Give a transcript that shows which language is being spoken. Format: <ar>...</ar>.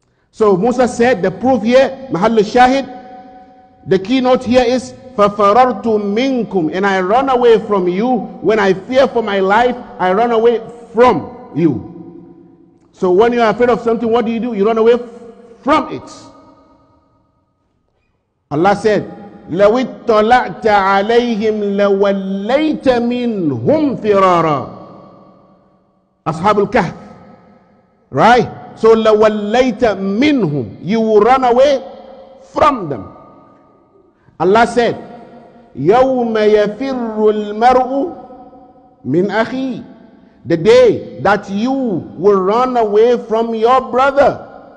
<en>So Musa said, the proof here, mahallu shahid, the keynote here is,</en> <ar>فَفَرَرْتُ مِنْكُمْ,</ar> <en>and I run away from you. When I fear for my life, I run away from you. So when you are afraid of something, what do? You run away from it.</en> <ar>Allah said, لَوِتَّلَعْتَ عَلَيْهِمْ لَوَلَّيْتَ مِنْهُمْ فِرَارًا.</ar> <en>Ashabul Kahf. Right? So</en> <ar>لَوَلَّيْتَ مِنْهُمْ,</ar> <en>you will run away from them. Allah said,</en> <ar>يَوْمَ يَفِرُّ الْمَرْءُ مِنْ أَخِيهِ,</ar> <en>the day that you will run away from your brother.</en>